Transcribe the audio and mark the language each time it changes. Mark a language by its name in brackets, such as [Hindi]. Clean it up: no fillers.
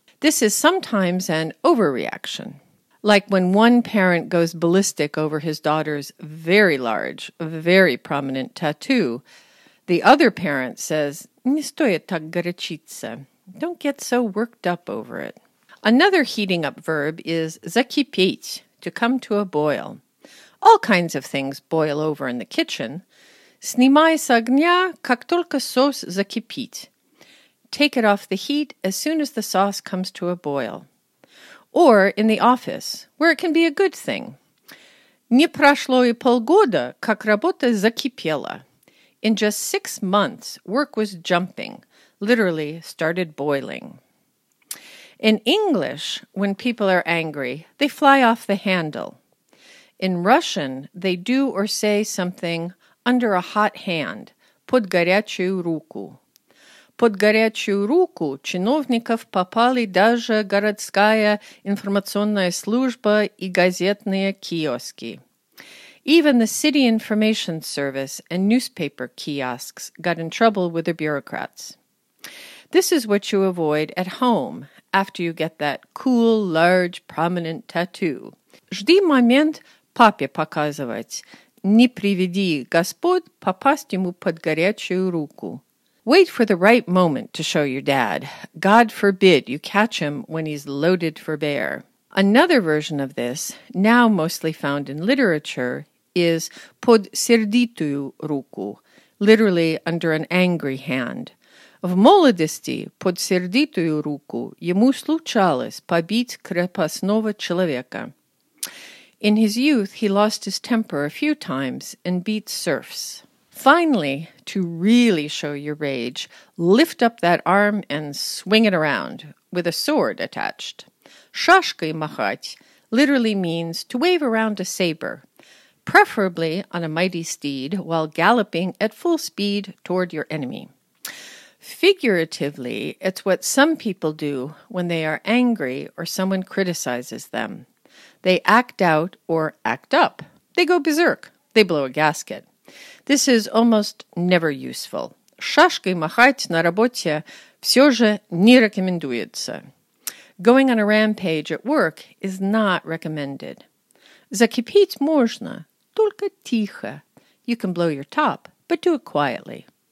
[English] This is sometimes an overreaction. Like when one parent goes ballistic over his daughter's very large, very prominent tattoo, the other parent says, [Russian] «Не стоит так горячиться. [English] Don't get so worked up over it». Another heating up verb is «закипеть», to come to a boil. All kinds of things boil over in the kitchen. [Russian] «Снимай с огня, как только сос закипит». [English] Take it off the heat as soon as the sauce comes to a boil. Or in the office, where it can be a good thing. [Russian] Не прошло и полгода, как работа закипела. [English] In just 6 months, work was jumping, literally started boiling. In English, when people are angry, they fly off the handle. In Russian, they do or say something under a hot hand, [Russian] под горячую руку. Под горячую руку чиновников попали даже городская информационная служба и газетные киоски. [English] Even the city information service and newspaper kiosks got in trouble with the bureaucrats. This is what you avoid at home after you get that cool, large, prominent tattoo. [Russian] Жди момент папе показывать. Не приведи Господь попасть ему под горячую руку. [English] Wait for the right moment to show your dad. God forbid you catch him when he's loaded for bear. Another version of this, now mostly found in literature, is [Russian] под сердитую руку, [English] literally under an angry hand. [Russian] В молодости под сердитую руку ему случалось побить крепостного человека. [English] In his youth, he lost his temper a few times and beat serfs. Finally, to really show your rage, lift up that arm and swing it around with a sword attached. Шашкой махать literally means to wave around a saber, preferably on a mighty steed while galloping at full speed toward your enemy. Figuratively, it's what some people do when they are angry or someone criticizes them. They act out or act up. They go berserk. They blow a gasket. This is almost never useful. [Russian] Шашкой махать на работе все же не рекомендуется. [English] Going on a rampage at work is not recommended. [Russian] Закипеть можно, только тихо. [English] You can blow your top, but do it quietly.